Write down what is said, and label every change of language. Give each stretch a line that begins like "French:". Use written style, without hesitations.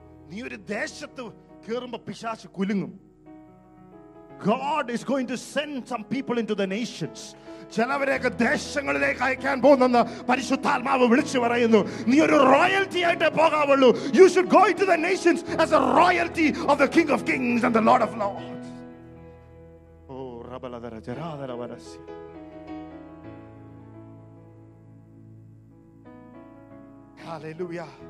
Malayalam: നീ ഒരു ദേശത്ത് കേറുമ്പോ പിശാച് കുലുങ്ങും.
English: God is going to send some people into the nations.
Malayalam: ചിലവരെയൊക്കെ ദേശങ്ങളിലേക്ക് അയക്കാൻ പോകുന്ന പരിശുദ്ധാത്മാവ് വിളിച്ചു പറയുന്നു, നീ ഒരു റോയൽറ്റി ആയിട്ടേ പോകാവുള്ളൂ.
English: You should go into the nations as a royalty of the King of Kings and the Lord of Lords. ഓ റബലദര ജരാദര വരസി. Hallelujah.